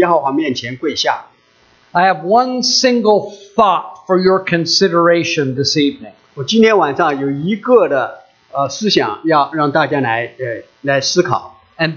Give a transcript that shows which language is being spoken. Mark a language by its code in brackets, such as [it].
[zh] 来啊，我们要屈身敬拜，在造我们的耶和华面前跪下。 [en] I have one single thought for your consideration this evening. [zh] 我今天晚上有一个思想要让大家来思考。 [en] And